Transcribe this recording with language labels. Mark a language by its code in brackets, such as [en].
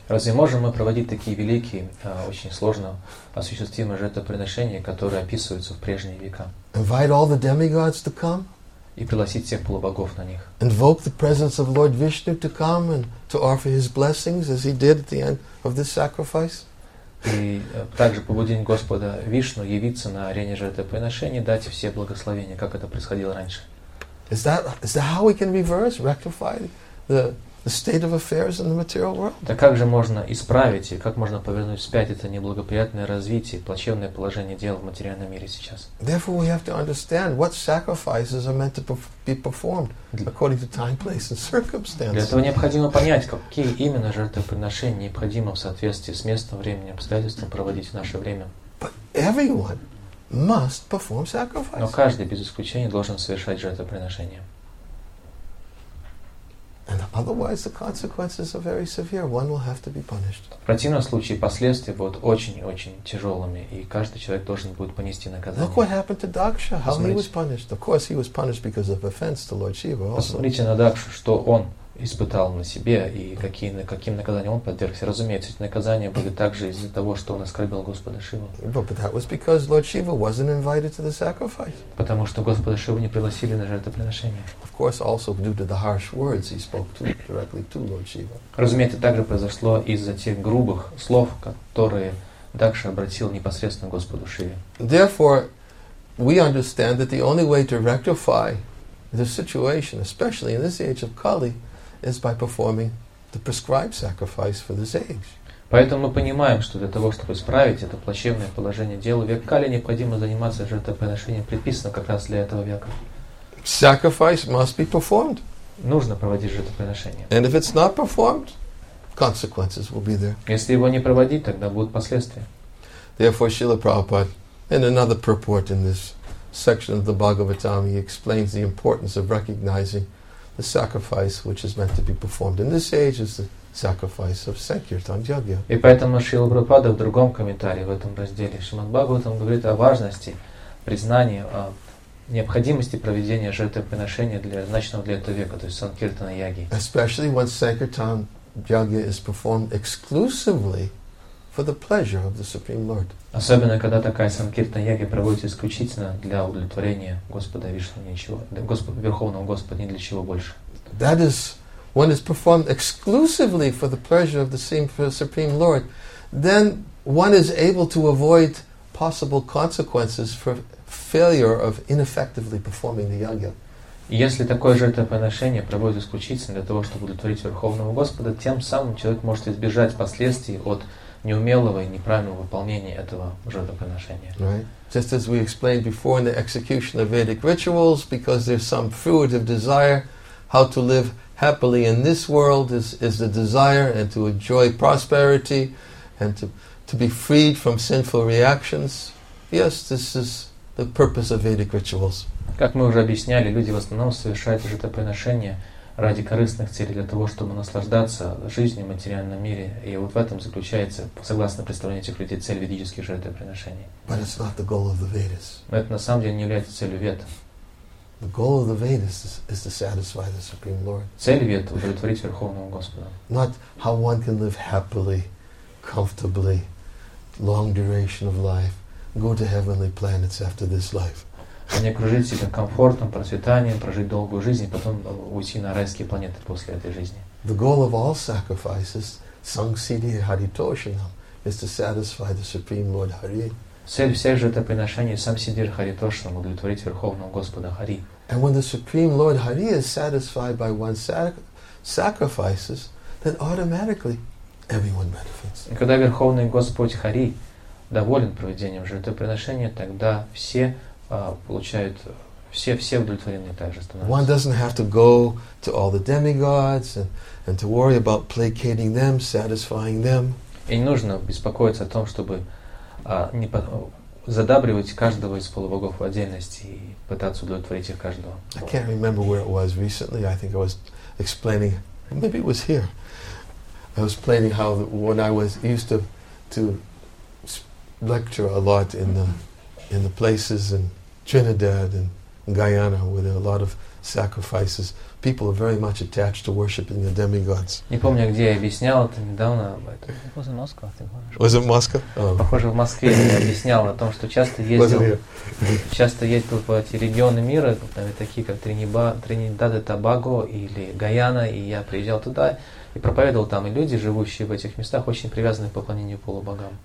[ru] Разве можем мы проводить такие великие, очень сложно осуществимые жертвоприношения, которые описываются в прежние века? [en] Invite all the demigods to come? [ru] И пригласить всех полубогов на них. [en] Invoke the presence of Lord Vishnu to come and to offer his blessings as he did at the end of this sacrifice. [ru] И также побудить Господа Вишну явиться на арене жертвоприношения, дать все благословения, как это происходило раньше. [en] Is that how we can reverse, rectify the state of affairs in the material world? [ru] Да как же можно исправить и как можно повернуть вспять это неблагоприятное развитие, плачевное положение дел в материальном мире сейчас? [en] Therefore, we have to understand what sacrifices are meant to be performed according to time, place, and circumstances. [ru] Для этого необходимо понять, какие именно жертвоприношения необходимо в соответствии с местом, временем, обстоятельствами проводить в наше время. [en] But everyone must perform sacrifices. [ru] Но каждый без исключения должен совершать жертвоприношение. [en] And otherwise, the consequences are very severe. One will have to be punished. [ru] В противном случае последствия будут очень-очень тяжелыми, и каждый человек должен будет понести наказание. [en] Look what happened to Daksha. How he was punished. Of course, he was punished because of offense to Lord Shiva. [ru] Посмотрите на Дакшу, что он испытал на себе и каким наказанием он подвергся. Разумеется, эти наказания были также из-за того, что он оскорбил Господа Шиву. [en] But that was because Lord Shiva wasn't invited to the sacrifice. [ru] Потому что Господа Шиву не пригласили на жертвоприношение. [en] Of course, also due to the harsh words he spoke to directly to Lord Shiva. [ru] Разумеется, также произошло из-за тех грубых слов, которые Дакша обратил непосредственно Господу Шиве. [en] Therefore, we understand that the only way to rectify the situation, especially in this age of Kali, is by performing the prescribed sacrifice for this age. [ru] Поэтому мы понимаем, что для того, чтобы исправить это плачевное положение дел в век Кали, необходимо заниматься жертвоприношением, предписанным как раз для этого века. [en] Sacrifice must be performed. [ru] Нужно проводить жертвоприношение. [en] And if it's not performed, consequences will be there. [ru] Если его не проводить, тогда будут последствия. [en] Therefore, Srila Prabhupada, in another purport in this section of the Bhagavatam, he explains the importance of recognizing the sacrifice which is meant to be performed in this age is the sacrifice of Sankirtan Yajna. [ru] И поэтому Шрила Прабхупада в другом комментарии в этом разделе Шримад Бхагаватам говорит о важности признания необходимости проведения жертвоприношения для значимого для этого века, то есть Санкиртана Яги. [en] Especially when Sankirtan Yajna is performed exclusively for the pleasure of the Supreme Lord. [ru] Особенно когда такая санкиртна-яги проводится исключительно для удовлетворения Господа Вишну, ничего, Господа Верховного Господа, ни для чего больше. [en] That is when it's performed exclusively for the pleasure of the Supreme Lord, then one is able to avoid possible consequences for failure of ineffectively performing the yagya. [ru] Если такое жертвоприношение проводится исключительно для того, чтобы удовлетворить Верховного Господа, тем самым человек может избежать последствий от неумелого и неправильного выполнения этого жертвоприношения. [en] Right. Just as we explained before in the execution of Vedic rituals, because there's some fruit of desire, how to live happily in this world is the desire and to enjoy prosperity and to be freed from sinful reactions. Yes, this is the purpose of Vedic rituals. [ru] Как мы уже объясняли, люди в основном совершают жертвоприношения ради корыстных целей, для того, чтобы наслаждаться жизнью в материальном мире. И вот в этом заключается, согласно представлению этих людей, цель ведических жертвоприношений. [en] But it's not the goal of the Vedas. [ru] Но это на самом деле не является целью Вед. [en] The goal of the Vedas is to satisfy the Supreme Lord. [ru] Цель Вед – удовлетворить Верховного Господа. [en] Not how one can live happily, comfortably, long duration of life, go to heavenly planets after this life. [ru] А не окружить себя комфортом, процветанием, прожить долгую жизнь и потом уйти на райские планеты после этой жизни. [en] The goal of all sacrifices, [sa] sang siddhi hari toshanam, [en] is to satisfy the Supreme Lord Hari. [ru] Цель всех жертвоприношений [sa] сам сиддхи хари тошанам, [ru] удовлетворить Верховного Господа Хари. [en] And when the Supreme Lord Hari is satisfied by one's sacrifices, then automatically everyone benefits. [ru] И когда Верховный Господь Хари доволен проведением жертвоприношения, тогда все получают все удовлетворены также становятся. [en] One doesn't have to go to all the demigods and to worry about placating them, satisfying them. [ru] И не нужно беспокоиться о том, чтобы задабривать каждого из полубогов в отдельности и пытаться удовлетворить их каждого. [en] I can't remember where it was recently. I think I was explaining, maybe it was here. I was explaining how when I was used to lecture a lot in the places in Trinidad and Guyana where there are a lot of sacrifices. People are very much attached to worshiping the demigods. [ru] Не помню, где я объяснял это недавно. [en] Was it Moscow? [ru] Похоже, в Москве я объяснял о том, что часто ездил по эти регионы мира, такие как Тринидад и Тобаго или Гайана, и я приезжал туда и проповедовал там. И люди, живущие в этих местах, очень привязаны к поклонению полубогам.